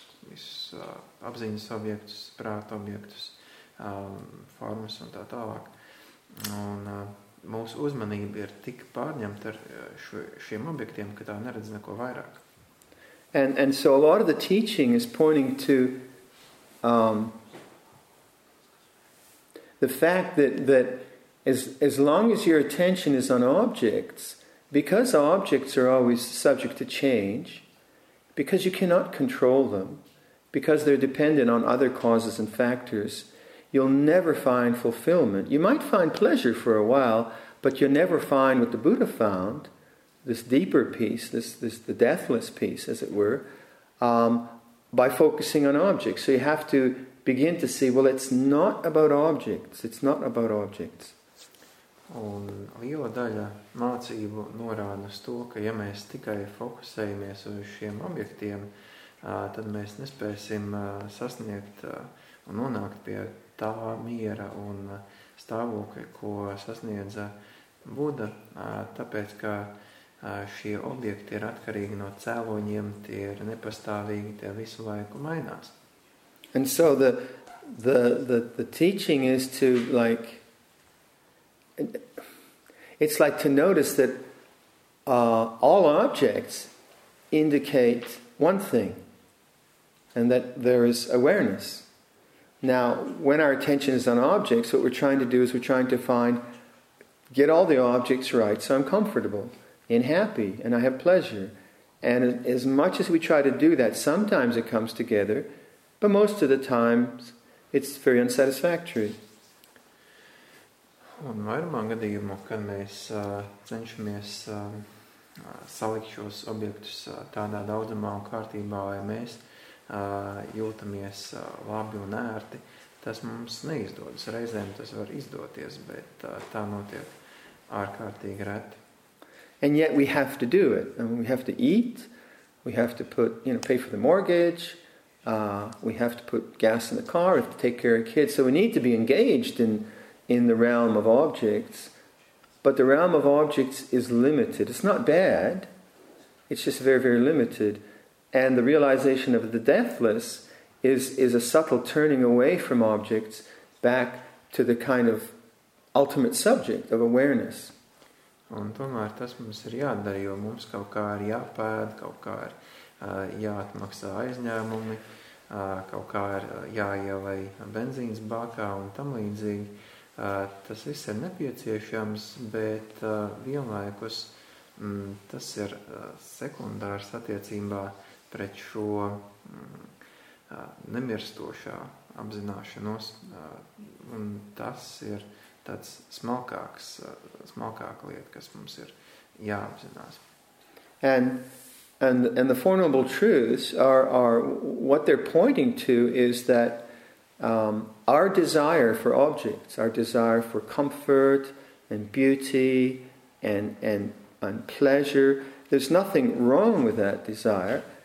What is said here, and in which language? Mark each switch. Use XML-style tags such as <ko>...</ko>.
<lv>visus apziņas objektus, prāta objektus, formas un tā tālāk. Un mūsu uzmanība ir tik pārņemta ar šiem objektiem, ka tā neredz neko vairāk.</lv> <en>And so a lot of the teaching is pointing to the fact that as long as your attention is on objects, because objects are always subject to change, because you cannot control them, because they're dependent on other causes and factors, you'll never find fulfillment. You might find pleasure for a while, but you'll never find what the Buddha found, this deeper peace, this the deathless peace, as it were, by focusing on objects. So you have to begin to see, well, it's not about objects. It's not about objects.</en> <lv>Un liela daļa mācību norāda uz to, ka ja mēs tikai fokusējamies uz šiem objektiem, tad mēs nespēsim sasniegt un nonākt pie tā miera un stāvokļa, ko sasniedza Buda, tāpēc, ka šie objekti ir atkarīgi no cēloņiem, tie ir nepastāvīgi, tie visu laiku mainās.</lv> <en>And so the teaching is to like, it's like to notice that all objects indicate one thing, and that there is awareness. Now, when our attention is on objects, what we're trying to do is we're trying to find, get all the objects right so I'm comfortable and happy and I have pleasure. And as much as we try to do that, sometimes it comes together, but most of the time it's very unsatisfactory.</en> <lv>Un vairumā gadījumu, kad mēs cenšamies salikt šos objektus tādā daudzumā un kārtībā, lai mēs jūtamies labi un ērti, tas mums neizdodas. Reizēm tas var izdoties, bet tā notiek ārkārtīgi reti.</lv> <en>And yet we have to do it. I mean, we have to eat, we have to put, you know, pay for the mortgage, we have to put gas in the car, to take care of kids. So we need to be engaged in the realm of objects, but the realm of objects is limited. It's not bad, it's just very, very limited. And the realization of the deathless is a subtle turning away from objects back to the kind of ultimate subject of awareness.</en> <lv>Un tomēr tas mums ir jādara, jo mums kaut kā ir jāpēd, kaut kā ir jāatmaksā aizņēmumi, kaut kā ir jāielai benzīnas bakā un tam līdzīgi. Tas viss ir nepieciešams, bet vienlaikus tas ir sekundārs attiecībā pret šo nemirstošā apzināšanos, un tas ir tāds smalkāka lieta, kas mums ir jāapzinās.</lv> <en>And the Four Noble Truths are what they're pointing to is that our desire for objects, our desire for comfort and beauty and pleasure, there's nothing wrong with that desire.</en>